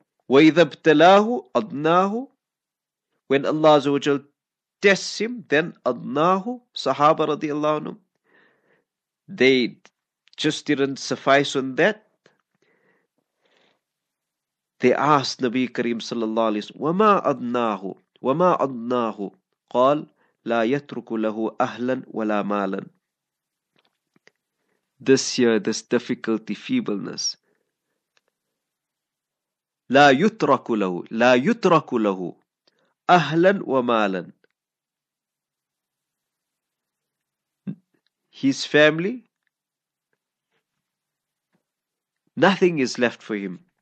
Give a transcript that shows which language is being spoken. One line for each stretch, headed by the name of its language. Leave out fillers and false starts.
Arabic: وَإِذَا ابْتَلَاهُ أَدْنَاهُ.
English: When Allah Azza wa Jal tests him, then أَدْنَاهُ. Sahaba radiallahu anhu, they just didn't suffice on that. They asked Nabi Kareem sallallahu alayhi wa sallam,
Arabic: وَمَا أَدْنَاهُ وَمَا أَدْنَاهُ قَالْ لَا يَتْرُكُ لَهُ أَهْلًا وَلَا مَالًا.
English: This year, this difficulty, feebleness.
Arabic: لَا يُتْرَكُ لَهُ لَا يُتْرَكُ لَهُ أَهْلًا وَمَالًا.
English: His family, nothing is left for him.